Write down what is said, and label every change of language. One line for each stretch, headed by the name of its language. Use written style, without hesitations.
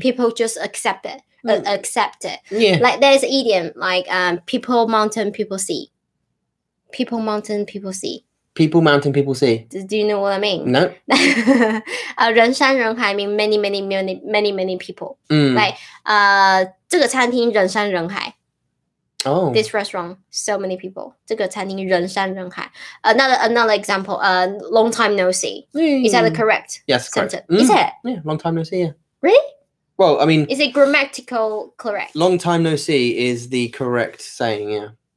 English: People just accept it. Accept it. Yeah. Like there's an idiom, like people mountain, people sea. People mountain, people sea. People mountain, people sea. Do you know what I mean? No. 人山人海 mean many, many, many, many, many people. Mm.
Chinese: Like, 这个餐厅人山人海.
English: Oh. This restaurant, so many people.
Chinese: 这个餐厅人山人海.
English: Another example, long time no see. Mm. Is that the correct sentence? Mm. Is it? Yeah, long time no see, yeah. Really? Well, I mean... Is it grammatical correct? Long time no see is the correct saying, yeah.